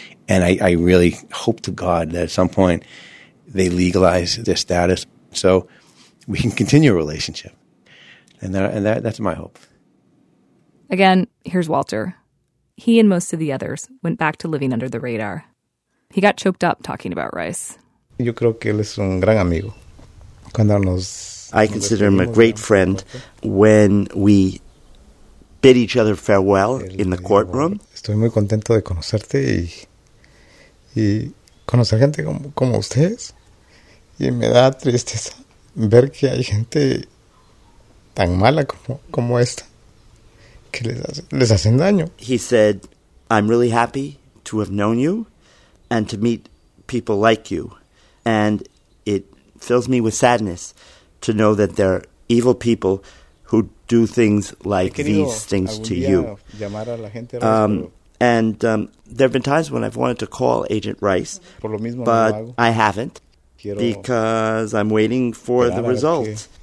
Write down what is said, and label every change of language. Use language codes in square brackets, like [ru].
[en] And I really hope to God that at some point they legalize their status so we can continue a relationship. And that's my hope. Again, here's Walter. he and most of the others went back to living under the radar. He got choked up talking about Rice. [es] Yo creo que él es un gran amigo. Cuando nos [en] I consider him a great friend. When we bid each other farewell in the courtroom, [es] estoy muy contento de conocerte y conocer gente como ustedes. Y me da tristeza ver que hay gente tan mala como esta que les hacen daño. [en] He said, "I'm really happy to have known you and to meet people like you, and it fills me with sadness to know that there are evil people who do things like these things to you." There have been times when I've wanted to call Agent Rice, but I haven't, because I'm waiting for the result.